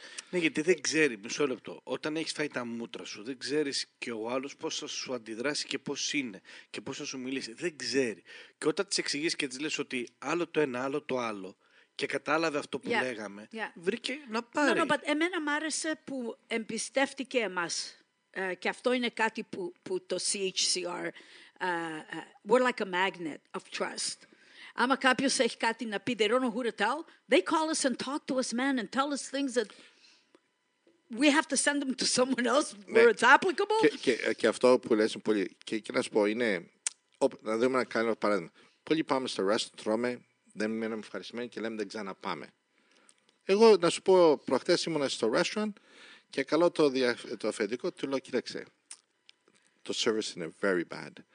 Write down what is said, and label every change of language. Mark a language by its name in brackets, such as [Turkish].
[Greek] Ναι, γιατί δεν ξέρει, μισό λεπτό, όταν έχεις φάει τα μούτρα σου, δεν ξέρεις και ο άλλος πώς θα σου αντιδράσει και πώς είναι και πώς θα σου μιλήσει. Δεν ξέρει. Και όταν της εξηγείς και της λες ότι άλλο το ένα, άλλο το άλλο και κατάλαβε αυτό που λέγαμε, βρήκε να πάρει. But εμένα μ' άρεσε που εμπιστεύτηκε εμάς. Και αυτό είναι κάτι που το CHCR... [English] we're like a magnet of trust. [Greek] Άμα κάποιος έχει κάτι να πει, [English] they don't know who to tell, they call us and talk to us, man, and tell us things that we have to send them to someone else where it's applicable. [Greek] Και αυτό που λες πολύ, και να σου πω, είναι, να δούμε ένα καλό παράδειγμα. Πολλοί πάμε στο restaurant, τρώμε, δεν μείνουμε ευχαριστημένοι και λέμε δεν ξαναπάμε. Εγώ να σου πω, προχτές ήμουν στο restaurant και καλό το αφεντικό, του λέω, κοίταξε, το service είναι [English] very bad.